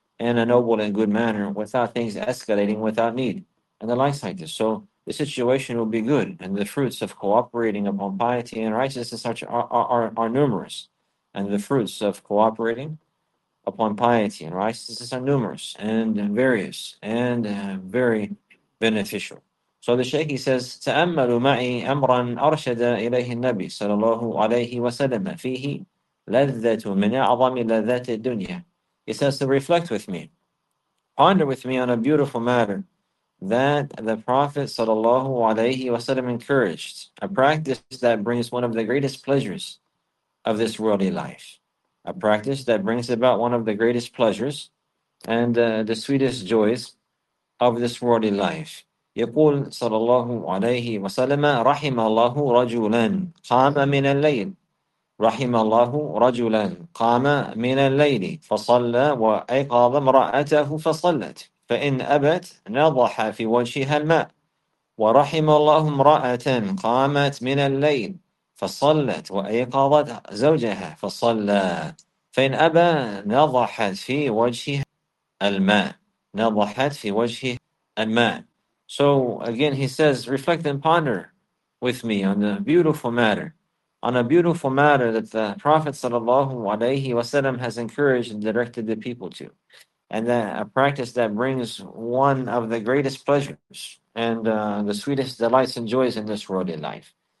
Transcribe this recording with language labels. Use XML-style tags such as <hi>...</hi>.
<en>in a noble and good manner without things escalating without need and the likes like this. So the situation will be good, and the fruits of cooperating upon piety and righteousness are numerous, and the fruits of cooperating upon piety and righteousness are numerous and various and very beneficial. So the Shaykh, he says,</en> <ar>تأملوا معي أمرا أرشد إليه النبي صلى الله عليه وسلم فيه لذة من أعظم لذات الدنيا.</ar> <en>He says, so reflect with me, ponder with me on a beautiful matter that the Prophet</en> <ar>صلى الله عليه وسلم</ar> <en>encouraged, a practice that brings one of the greatest pleasures of this worldly life. A practice that brings about one of the greatest pleasures and the sweetest joys of this worldly life.</en> <ar>يقول صلى الله عليه وسلم رحم الله رجلا قام من الليل رحم الله رجلا قام من الليل فصلى وأيقظ امرأته فصلت فإن أبت نضح في وجهها الماء ورحم الله امرأة قامت من الليل فصلت وأيقظت زوجها فصلى فإن أبى نضحت في وجهه الماء نضحت في وجهه الماء.</ar> <en>So again he says, reflect and ponder with me on a beautiful matter, on a beautiful matter that the Prophet sallallahu alaihi wasallam has encouraged and directed the people to, and that a practice that brings one of the greatest pleasures and the sweetest delights and joys in this worldly life.</en>